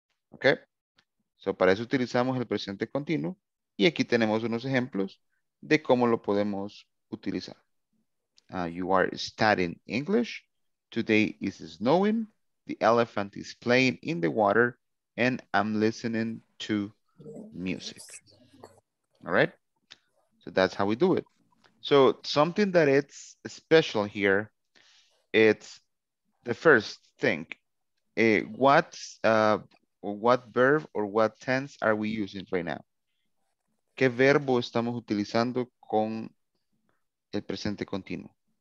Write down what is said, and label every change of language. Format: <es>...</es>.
<en>Okay, so</en> <es>para eso utilizamos el presente continuo y aquí tenemos unos ejemplos de cómo lo podemos utilizar.</es> <en>You are studying English. Today is snowing. The elephant is playing in the water and I'm listening to music. All right, so that's how we do it. So something that it's special here, it's the first thing, what verb or what tense are we using right now?</en> <es>¿Qué verbo estamos utilizando con el presente continuo?</es>